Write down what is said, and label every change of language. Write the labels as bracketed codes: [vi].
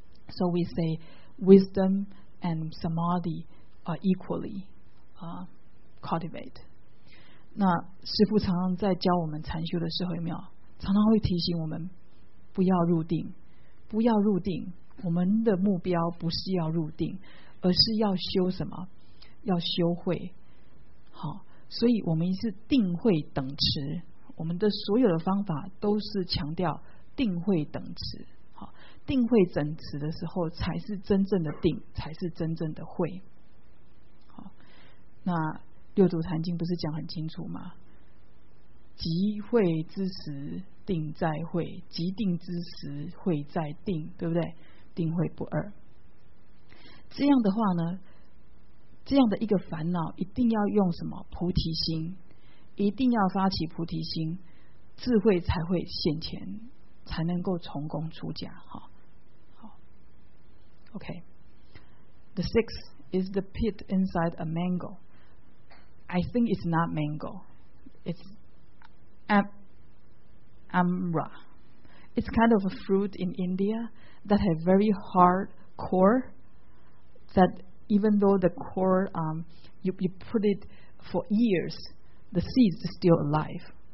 [en] So we say,wisdom and samadhi are equally cultivate. [zh] 那师父常常在教我们禅修的时候，有没有常常会提醒我们不要入定，不要入定。我们的目标不是要入定，而是要修什么？要修慧。好，所以我们是定慧等持。我们的所有的方法都是强调定慧等持。定慧整持的时候才是真正的定，才是真正的慧。好，那六祖坛经不是讲很清楚吗？即慧之时定在慧，即定之时慧在定，对不对？定慧不二。这样的话呢，这样的一个烦恼一定要用什么菩提心，一定要发起菩提心，智慧才会现前，才能够从功出家。 [en] 好 OK, the sixth is the pit inside a mango. I think it's not mango, it's amra. It's kind of a fruit in India that has very hard core, that even though the core, you put it for years, the seeds are still alive.